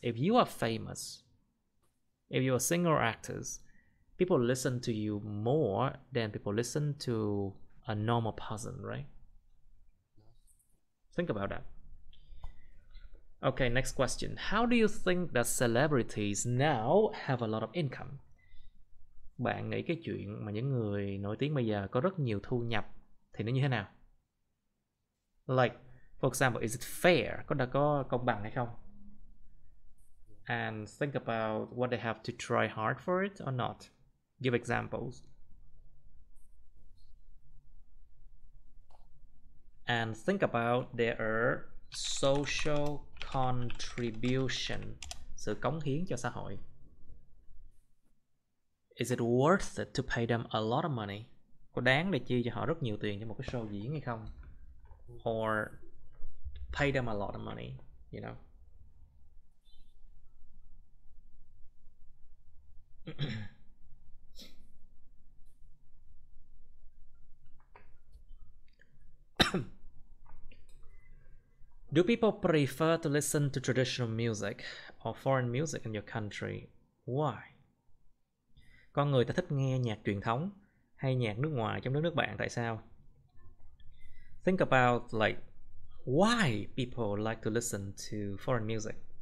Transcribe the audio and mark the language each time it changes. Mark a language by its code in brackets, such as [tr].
[en] If you are famous, if you are singer or actors, people listen to you more than people listen to a normal person, right? Think about that. Okay, next question. How do you think that celebrities now have a lot of income? [vi] Bạn nghĩ cái chuyện mà những người nổi tiếng bây giờ có rất nhiều thu nhập thì nó như thế nào? [en] Like, for example, is it fair? [vi] Có công bằng hay không? [en] And think about what they have to try hard for it or not. Give examples. And think about there are social contribution, [vi] sự cống hiến cho xã hội. [en] Is it worth it to pay them a lot of money? [vi] Có đáng để chi cho họ rất nhiều tiền cho một cái show diễn hay không? [en] Or pay them a lot of money, you know? Do people prefer to listen to traditional music or foreign music in your country? Why? [vi] Con người ta thích nghe nhạc truyền thống hay nhạc nước ngoài trong đất nước bạn tại sao? [en] Think about like why people like to listen to foreign music.